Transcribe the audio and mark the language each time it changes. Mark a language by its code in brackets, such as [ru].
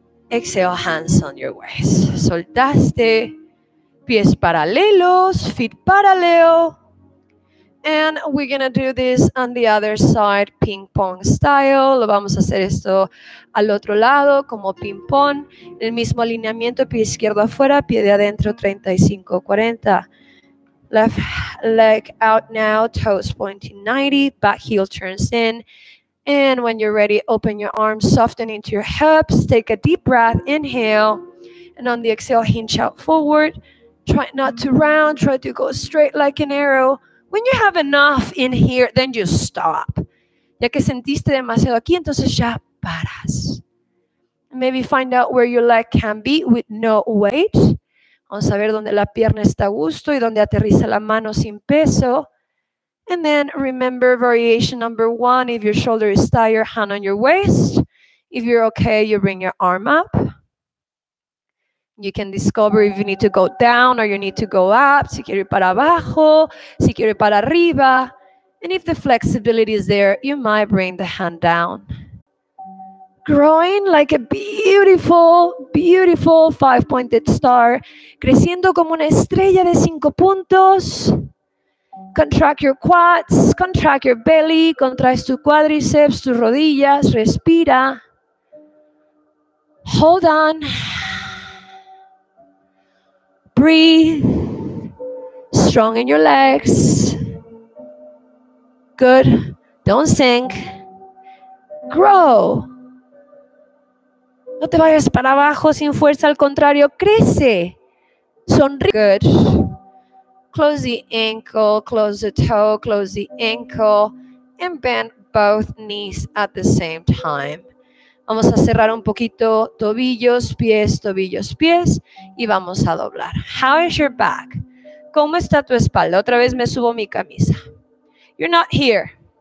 [en] Exhale, hands on your waist. [es] Soltaste, pies paralelos, [en] feet paralelo. And we're going to do this on the other side, ping pong style. [es] Lo vamos a hacer esto al otro lado, como ping pong. El mismo alineamiento, pie izquierdo afuera, pie de adentro, 35-40. [en] Left leg out now, toes pointing 90, back heel turns in. And when you're ready, open your arms, soften into your hips, take a deep breath, inhale. And on the exhale, hinge out forward. Try not to round, try to go straight like an arrow. When you have enough in here, then you stop. [es] Ya que sentiste demasiado aquí, entonces ya paras. [en] Maybe find out where your leg can be with no weight. [es] Vamos a ver dónde la pierna está a gusto y dónde aterriza la mano sin peso. [en] And then remember variation number one. If your shoulder is tired, hand on your waist. If you're okay, you bring your arm up. You can discover if you need to go down or you need to go up. [es] Si quiere para abajo, si quiere para arriba. [en] And if the flexibility is there, you might bring the hand down. Growing like a beautiful, beautiful five-pointed star. [es] Creciendo como una estrella de cinco puntos. [en] Contract your quads, contract your belly, [es] contraes tu cuádriceps, tus rodillas, respira. [en] Hold on. Breathe. Strong in your legs. Good. Don't sink. Grow. [es] No te vayas para abajo sin fuerza, al contrario, crece. Sonríe. [en] Good. Close the ankle, close the toe, close the ankle, and bend both knees at the same time. [es] Vamos a cerrar un poquito tobillos, pies, y vamos a doblar. [en] How is your back? [es] ¿Cómo está tu espalda? Otra vez me subo mi camisa. [en] You're not here.